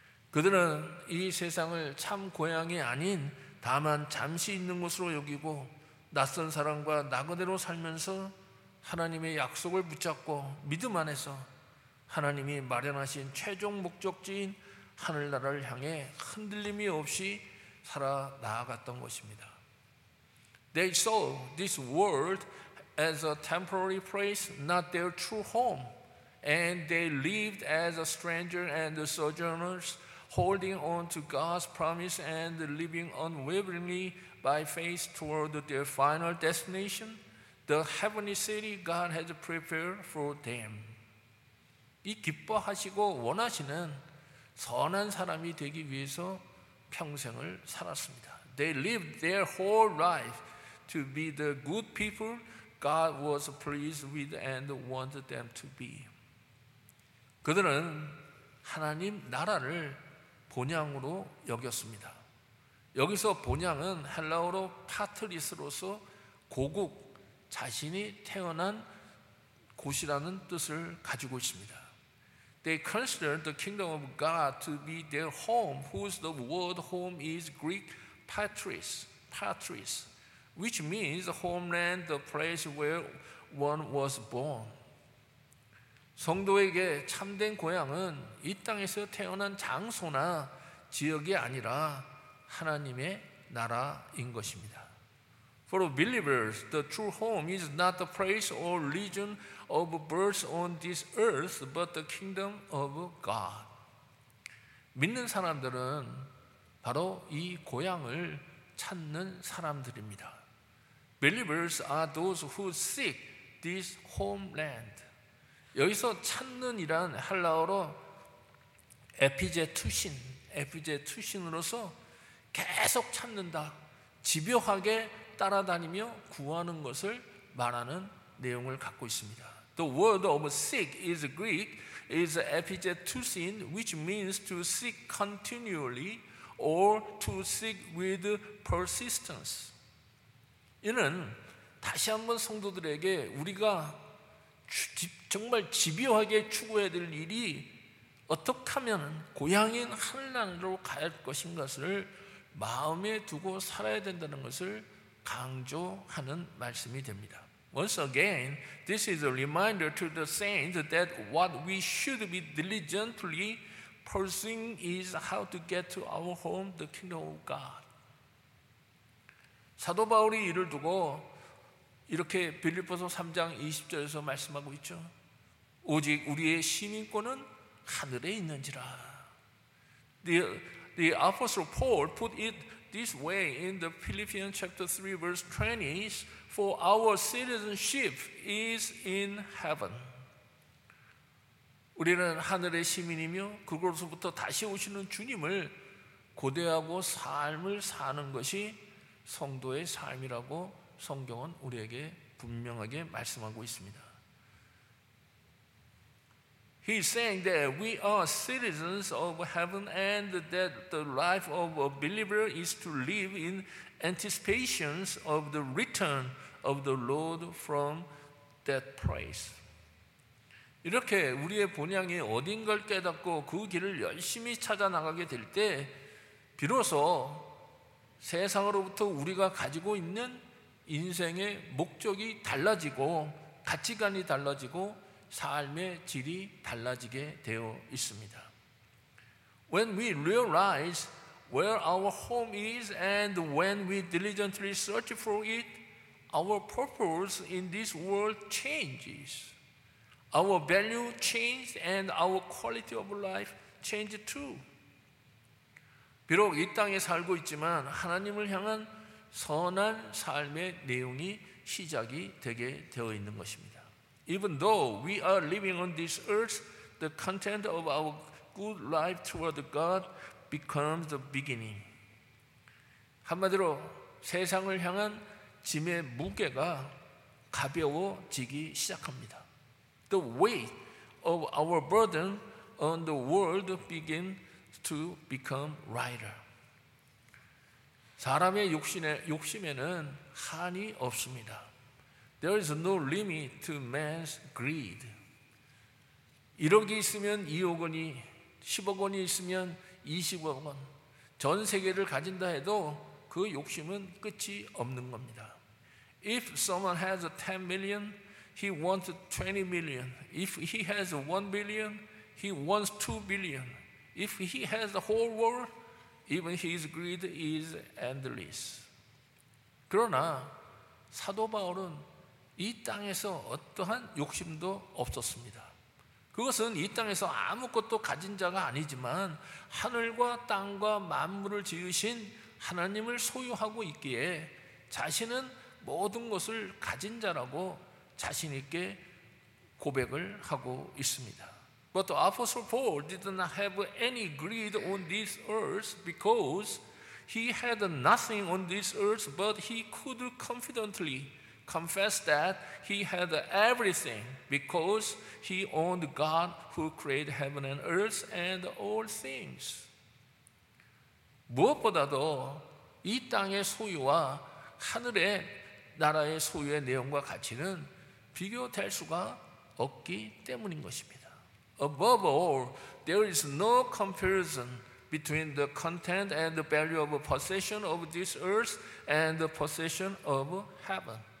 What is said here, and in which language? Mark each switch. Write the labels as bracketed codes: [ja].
[ko] 그들은 이 세상을 참 고향이 아닌 다만 잠시 있는 곳으로 여기고 낯선 사람과 나그네로 살면서 하나님의 약속을 붙잡고 믿음 안에서 하나님이 마련하신 최종 목적지인 하늘나라를 향해 흔들림이 없이 살아나아갔던 것입니다. [en] They saw this world as a temporary place, not their true home, and they lived as a stranger and a sojourners, holding on to God's promise and living unwaveringly by faith toward their final destination, the heavenly city God had prepared for them. [ko] 이 기뻐하시고 원하시는 선한 사람이 되기 위해서 평생을 살았습니다. [en] They lived their whole life to be the good people God was pleased with and wanted them to be. [ko] 그들은 하나님 나라를 본향으로 여겼습니다. 여기서 본향은 헬라어로 파트리스로서 고국, 자신이 태어난 곳이라는 뜻을 가지고 있습니다. [en] They considered the kingdom of God to be their home, whose the word home is Greek patris, patris, which means the homeland, the place where one was born. [ko] 성도에게 참된 고향은 이 땅에서 태어난 장소나 지역이 아니라 하나님의 나라인 것입니다. [en] For believers, the true home is not the place or region of birth on this earth, but the kingdom of God. [ko] 믿는 사람들은 바로 이 고향을 찾는 사람들입니다. [en] Believers are those who seek this homeland. [ko] 여기서 찾는이란 한라어로 에피제투신, 에피제투신으로서 계속 찾는다, 집요하게 따라다니며 구하는 것을 말하는 내용을 갖고 있습니다. [en] The word of seek is Greek, is epigetusin, which means to seek continually or to seek with persistence. [ko] 이는 다시 한번 성도들에게 우리가 정말 집요하게 추구해야 될 일이 어떻게 하면 고향인 하늘나라로 갈 것인 것을 마음에 두고 살아야 된다는 것을 강조하는 말씀이 됩니다. [en] Once again, this is a reminder to the saints that what we should be diligently pursuing is how to get to our home, the kingdom of God. [ko] 사도 바울이 이를 두고 이렇게 빌립보서 3장 20절에서 말씀하고 있죠. 오직 우리의 시민권은 하늘에 있는지라. [en] The apostle Paul put it this way in the Philippians chapter 3 verse 20, for our citizenship is in heaven. [ko] 우리는 하늘의 시민이며 그곳으로부터 다시 오시는 주님을 고대하고 삶을 사는 것이 성도의 삶이라고 성경은 우리에게 분명하게 말씀하고 있습니다. [en] He is saying that we are citizens of heaven and that the life of a believer is to live in anticipation of the return of the Lord from that place. [ko] 이렇게 우리의 본향이 어딘가를 깨닫고 그 길을 열심히 찾아 나가게 될 때 비로소 세상으로부터 우리가 가지고 있는 인생의 목적이 달라지고 가치관이 달라지고 삶의 질이 달라지게 되어 있습니다. [en] When we realize where our home is and when we diligently search for it, our purpose in this world changes. Our value changes and our quality of life changes too. [ko] 비록 이 땅에 살고 있지만 하나님을 향한 선한 삶의 내용이 시작이 되게 되어 있는 것입니다. [en] Even though we are living on this earth, the content of our good life toward God becomes the beginning. [ko] 한마디로 세상을 향한 짐의 무게가 가벼워지기 시작합니다. [en] The weight of our burden on the world begins to become lighter. [ko] 사람의 욕심에는 한이 없습니다. [en] There is no limit to man's greed. [ko] 1억이 있으면 2억 원이, 10억 원이 있으면 20억 원, 전 세계를 가진다 해도 그 욕심은 끝이 없는 겁니다. [en] If someone has 10 million, he wants 20 million. If he has 1 billion, he wants 2 billion. If he has the whole world, even his greed is endless. [ko] 그러나 사도 바울은 이 땅에서 어떠한 욕심도 없었습니다. 그것은 이 땅에서 아무것도 가진 자가 아니지만 하늘과 땅과 만물을 지으신 하나님을 소유하고 있기에 자신은 모든 것을 가진 자라고 자신 있게 고백을 하고 있습니다. [en] But the Apostle Paul did not have any greed on this earth because he had nothing on this earth, but he could confidently confess that he had everything because he owned God who created heaven and earth and all things. [ko] 무엇보다도 이 땅의 소유와 하늘의 나라의 소유의 내용과 가치는 비교될 수가 없기 때문인 것입니다. [en] Above all, there is no comparison between the content and the value of a possession of this earth and the possession of heaven.